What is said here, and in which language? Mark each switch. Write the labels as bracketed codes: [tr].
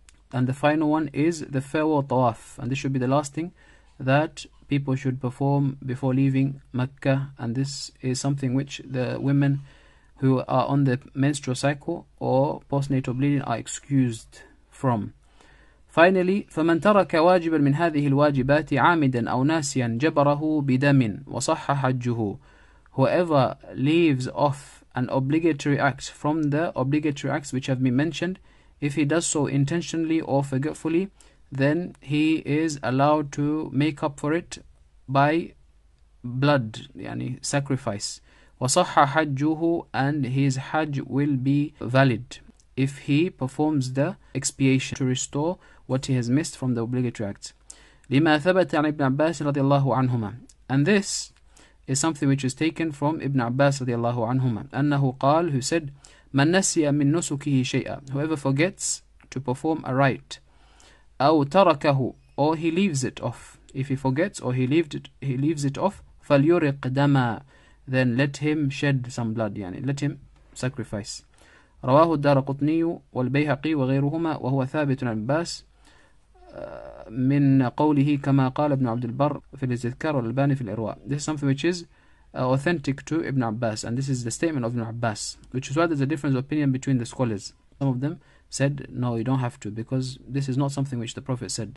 [en] And the final one is the farewell tawaf, and this should be the last thing that people should perform before leaving Mecca. And this is something which the women who are on the menstrual cycle or postnatal bleeding are excused from. [ar] Finally, فَمَنْ تَرَكَ وَاجِبًا مِنْ هَذِهِ الْوَاجِبَاتِ عَامِدًا أَوْ نَاسِيًا جَبَرَهُ بِدَمٍ وَصَحَّ حَجُّهُ. [en] Whoever leaves off an obligatory act from the obligatory acts which have been mentioned, if he does so intentionally or forgetfully, then he is allowed to make up for it by blood, yani sacrifice. [ar] وَصَحَّ حَجُّهُ, [en] and his hajj will be valid if he performs the expiation to restore what he has missed from the obligatory acts. [ar] لِمَا ثَبَتَ عَنْ إِبْنِ عَبَّاسِ رَضِيَ اللَّهُ عَنْهُمَا. [en] And this is something which is taken from Ibn Abbas [ar] رضي الله عنهما. أَنَّهُ قال, [en] who said, [ar] مَنْ نَسِيَ مِنْ نُسُكِهِ شَيْئًا, [en] whoever forgets to perform a rite, [ar] أَوْ تَرَكَهُ, [en] or he leaves it off. If he forgets or he leaves it off, [ar] فَلْيُرِقْ دَمًا, [en] then let him shed some blood, يعني let him sacrifice. [ar] رواه الدار قطني والبيهقي وغيرهما وهو ثابت عن عباس من قوله كما قال ابن عبد البر في الاستذكار والألباني في الإرواء. [en] This is something which is authentic to Ibn Abbas, and this is the statement of Ibn Abbas, which is why there's a difference of opinion between the scholars. Some of them said, no, you don't have to, because this is not something which the Prophet said.